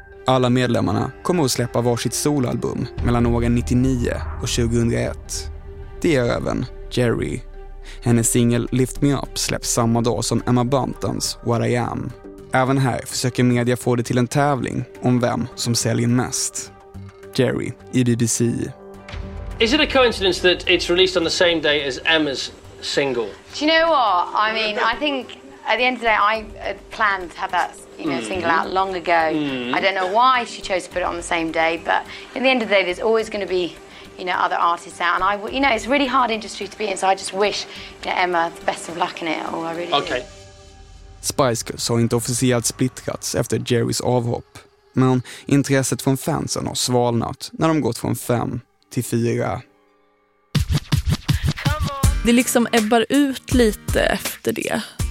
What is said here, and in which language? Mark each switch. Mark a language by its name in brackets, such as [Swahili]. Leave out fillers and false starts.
[Swedish] Alla medlemmarna kommer att släppa varsitt solalbum mellan åren 99 och 2001. Det gör även Jerry. Hennes singel Lift Me Up släpps samma dag som Emma Buntons What I Am. Även här försöker media få det till en tävling om vem som säljer mest. Jerry i BBC. [English] Is it a coincidence that it's released on the same day as Emma's single? Do you know what? I mean, I think at the end of the day, I planned to have that, you know, single out long ago. I don't know why she chose to put it on the same day, but at the end of the day, there's always going to be, you know, other artists out. And I, you know, it's a really hard industry to be in, so I just wish, you know, Emma the best of luck in it. Oh, I really okay. [Swedish] Spice Girls har inte officiellt splittrats efter Jerrys avhopp, men intresset från fansen har svalnat när de gått från 5 till 4. Det liksom ebbar ut lite efter det.